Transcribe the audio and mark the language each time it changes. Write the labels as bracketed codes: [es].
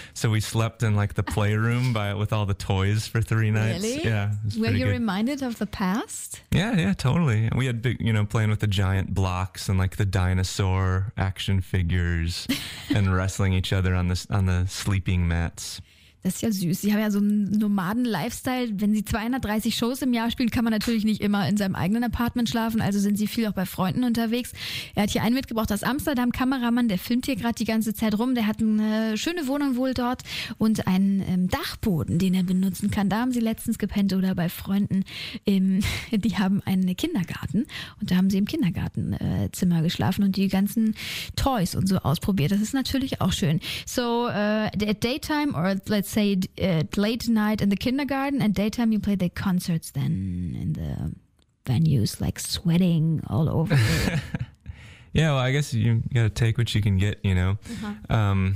[en] So we slept in like the playroom with all the toys for three nights. Really? Yeah. Were you good. Reminded of the past? Yeah, totally. We had big, you know, playing with the giant blocks and like the dinosaur action figures and wrestling each other on the sleeping mats. [de] Das ist ja süß. Sie haben ja so einen Nomaden-Lifestyle. Wenn Sie 230 Shows im Jahr spielen, kann man natürlich nicht immer in seinem eigenen Apartment schlafen. Also sind Sie viel auch bei Freunden unterwegs. Er hat hier einen mitgebracht aus Amsterdam. Kameramann, der filmt hier gerade die ganze Zeit rum. Der hat eine schöne Wohnung wohl dort und einen Dachboden, den er benutzen kann. Da haben Sie letztens gepennt oder bei Freunden. Die haben einen Kindergarten und da haben Sie im Kindergartenzimmer geschlafen und die ganzen Toys und so ausprobiert. Das ist natürlich auch schön. [en] So, at daytime or like let's say late night in the kindergarten and daytime you play the concerts then in the venues, like sweating all over. Yeah, well, I guess you gotta take what you can get, you know. Uh-huh.